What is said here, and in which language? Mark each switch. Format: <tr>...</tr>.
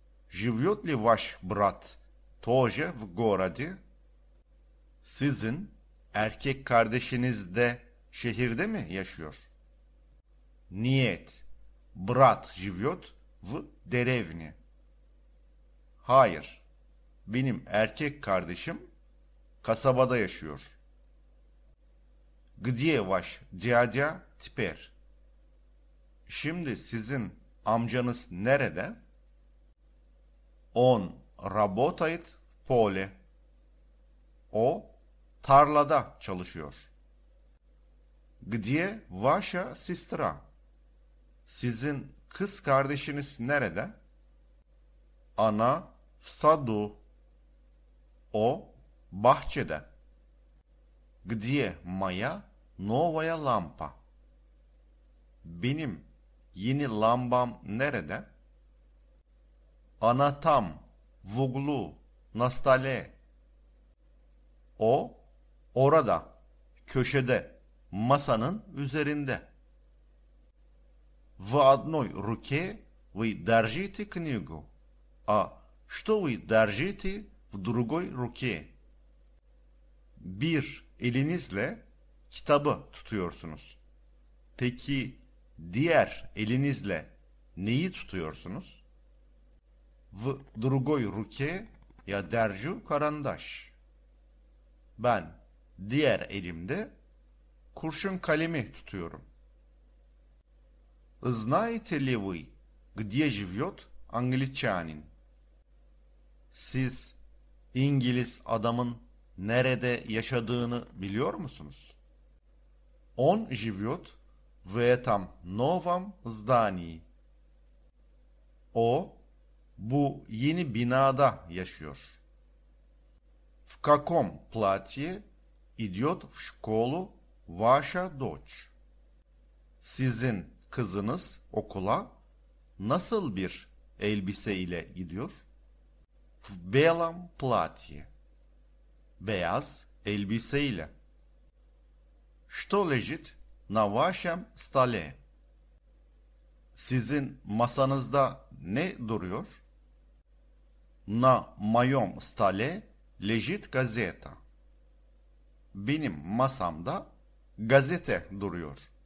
<ru>Живет ли ваш брат тоже в городе?</ru> <tr>Sizin erkek kardeşiniz de şehirde mi yaşıyor?</tr> <ru>Нет, брат живет в деревне.</ru> <tr>Hayır, benim erkek kardeşim kasabada yaşıyor.</tr> <ru>Где ваш дядя теперь?</ru> <tr>Şimdi sizin amcanız nerede?</tr> <ru>Он работает в поле.</ru> <tr>O tarlada çalışıyor.</tr> <ru>Где ваша сестра?</ru> <tr>Sizin kız kardeşiniz nerede?</tr> <ru>Она в саду.</ru> <tr>O bahçede.</tr> <ru>Где моя новая лампа?</ru> <tr>Benim yeni lambam nerede?</tr> <ru>Она там, в углу, на столе.</ru> <tr>O orada, köşede, masanın üzerinde.</tr> <ru>В одной руке вы держите книгу, а что вы держите в другой руке?</ru> <tr>Bir elinizle kitabı tutuyorsunuz. Peki diğer elinizle neyi tutuyorsunuz?</tr> <ru>В другой руке я держу карандаш.</ru> <tr>Ben diğer elimde kurşun kalemi tutuyorum.</tr> <ru>Знаете ли вы, где живет англичанин?</ru> <tr>Siz İngiliz adamın nerede yaşadığını biliyor musunuz?</tr> <ru>Он живет в этом новом здании.</ru> <tr>O bu yeni binada yaşıyor.</tr> <ru>В каком платье идет в школу ваша дочь?</ru> <tr>Sizin kızınız okula nasıl bir elbise ile gidiyor?</tr> <ru>В белом платье.</ru> <tr>Beyaz elbise ile.</tr> <ru>Что лежит на вашем столе?</ru> <tr>Sizin masanızda ne duruyor?</tr> <ru>На моем столе лежит газета.</ru> <tr>Benim masamda gazete duruyor.</tr>